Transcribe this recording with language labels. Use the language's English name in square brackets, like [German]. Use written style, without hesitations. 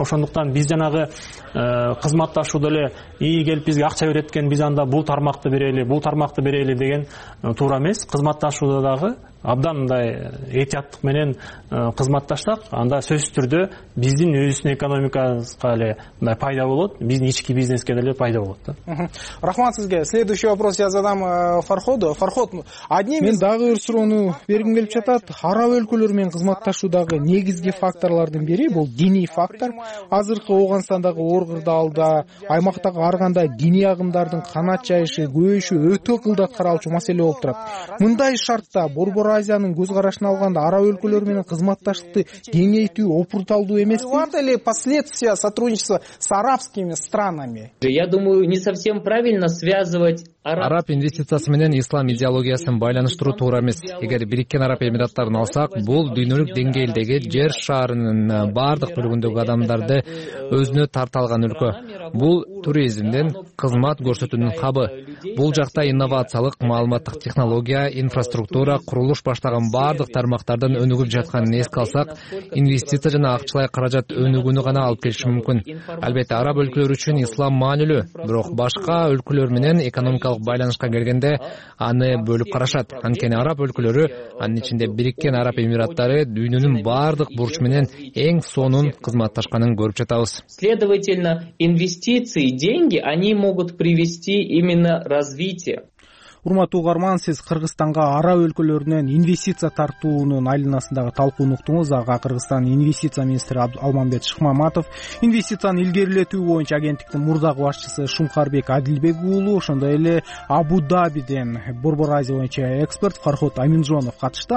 [Kyrgyz] Ошондуктан биз жанагы кызматташууда эле ии келип бизге акча берет экен, биз анда бул тармакты берели, бул тармакты берели деген туура эмес. Кызматташууда дагы абдан мындай этияттык менен кызматташсак, анда сөзсүз түрдө биздин өзүбүздүн экономикабызга эле мындай пайда болот, биздин ички бизнеске деле пайда болот да. Рахмат сизге. [Russian] Следующий вопрос я задам Фарходу. Фарход, [Kyrgyz] мен дагы бир суроону бергим келип жатат. Араб өлкөлөрү менен кызматташуудагы негизги факторлордун бири бул диний фактор. Азыркы Оогандагы оор кырдаалда аймактагы ар кандай диний агымдардын канат жайышы, көбөйүшү өтө кылдат каралчу маселе болуп турат. Мындай шартта Борбор Азиянын көз карашын алганда араб өлкөлөрү менен кызматташтыкты кеңейтүү опурталдуу эмеспи? Бар эле [Russian] последствия сотрудничества с арабскими странами? Я думаю, не совсем правильно связывать [Kyrgyz] араб инвестициясы менен ислам идеологиясын байланыштыруу туура эмес. Эгер Бириккен Араб Эмираттарын алсак, бул дүйнөлүк деңгээлдеги жер шаарынын баардык бөлүгүндөгү адамдарды өзүнө тарта алган өлкө. Бул туризмден кызмат көрсөтүүнүн хабы. Бул жакта инновациялык, маалыматтык технология, инфраструктура, курулуш баштаган баардык тармактардын өнүгүп жатканын эске алсак, инвестиция жана акчалай каражат өнүгүүнү гана алып келиши мүмкүн. Албетте, араб өлкөлөрү үчүн ислам маанилүү, бирок башка өлкөлөр менен экономикалык байланышка келгенде аны бөлүп карашат. Анткени араб өлкөлөрү, анын ичинде Бириккен Араб Эмираттары дүйнөнүн баардык бурчу менен эң сонун кызматташканын көрүп жатабыз. [Russian] Следовательно, инвестиция инвестиции, деньги, они могут привести именно развитие. [Kyrgyz] Урматтуу угарман, сиз Кыргызстанга ара өлкөлөрүнөн инвестиция тартуунун айланасындагы талкууну уктуңуз. Ага Кыргызстандын инвестиция министри Алмамбет Шыкмаматов, инвестицияны илгерилетүү боюнча агенттиктин мурдагы башчысы Шумкарбек Адилбек уулу, ошондой эле Абу-Дабиден Борбор Азия боюнча эксперт Фархот Аминжонов катышты.